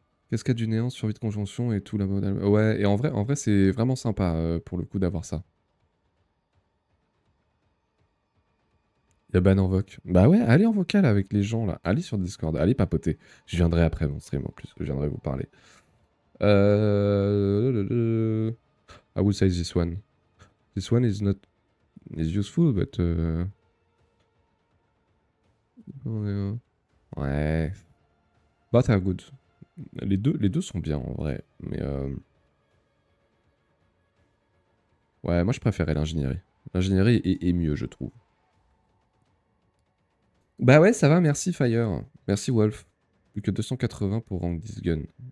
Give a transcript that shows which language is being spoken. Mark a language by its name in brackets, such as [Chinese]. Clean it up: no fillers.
[French] Cascade du néant, survie de conjonction et tout là-bas. Ouais, et en vrai c'est vraiment sympa pour le coup d'avoir ça. Y a ban en voc. Bah ouais, allez en vocal avec les gens là. Allez sur Discord, allez papoter. Je viendrai après mon stream en plus, je viendrai vous parler. [English] I would say this one. This one is not is useful, but ouais. But are good. [French] Les deux sont bien en vrai, mais ouais, moi je préférais l'ingénierie. L'ingénierie est mieux, je trouve. Bah ouais, ça va, merci Fire. Merci Wolf. Plus que 280 pour rank 10 gun.